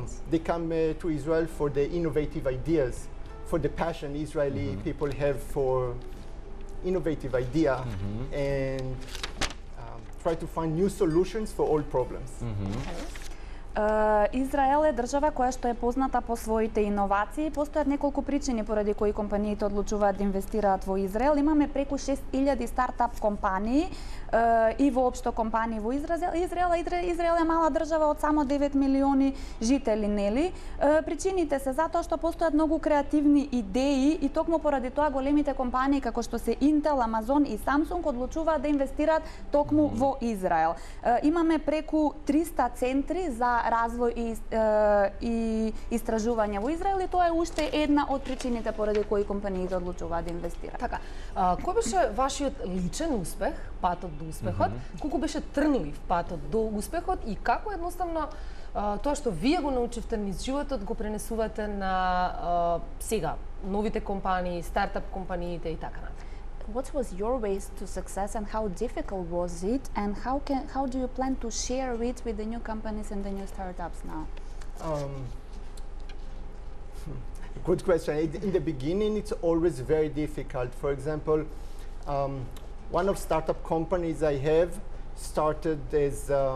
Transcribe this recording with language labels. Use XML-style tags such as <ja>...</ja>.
<en>They come to Israel for the innovative ideas, for the passion Israeli people have for innovative idea and try to find new solutions for old problems.</en> <mk>Израел е држава која што е позната по своите иновации. Постојат неколку причини поради кои компаниите одлучуваат да инвестираат во Израел. Имаме преку 6000 стартап компании и воопшто компании во Израел. Израел е мала држава од само 9 милиони жители, нели? Причините се затоа што постојат многу креативни идеи и токму поради тоа големите компании како што се Intel, Amazon и Samsung одлучуваат да инвестираат токму во Израел. Имаме преку 300 центри за развој и истражување во Израел и тоа е уште една од причините поради кои компаниите одлучуваат да инвестираат. Така, кој беше вашиот личен успех, патот до успехот, колку беше трнлив патот до успехот и како едноставно тоа што вие го научивте низ животот го пренесувате на сега новите компании, стартап компаниите и така натаму?</mk> <en>What was your way to success and how difficult was it and how do you plan to share it with the new companies and the new startups now? Good question. In the beginning it's always very difficult. For example, one of startup companies I have started as</en>